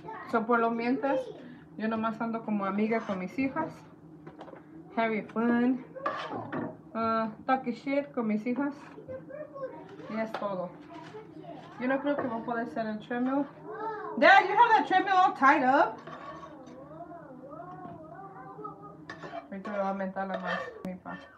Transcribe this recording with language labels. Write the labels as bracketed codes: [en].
[es] So por lo mientras, yo nomás ando como amiga con mis hijas. [en] Having fun. Talking shit [es] con mis hijas. Y es todo. Yo no creo que voy a poder hacer el treadmill. [en] Dad, you have that treadmill all tied up. [es] Ahorita me va a aumentar la más, mi pa.